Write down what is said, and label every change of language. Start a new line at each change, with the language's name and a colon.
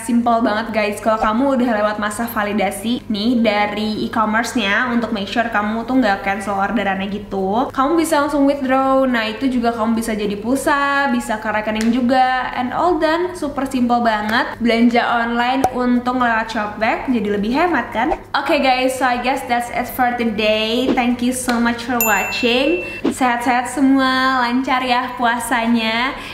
Indonesian: Simple banget guys, kalau kamu udah lewat masa validasi nih dari e-commerce-nya untuk make sure kamu tuh nggak cancel orderannya gitu, kamu bisa langsung withdraw. Nah, itu juga kamu bisa jadi pulsa, bisa ke rekening juga,
English: and all done.
Indonesian: Super simple banget. Belanja online untung lewat Shopback, jadi lebih hemat kan?
English: Okay guys, so I guess that's it for today. Thank you so much for watching.
Indonesian: Sehat-sehat semua, lancar ya puasanya.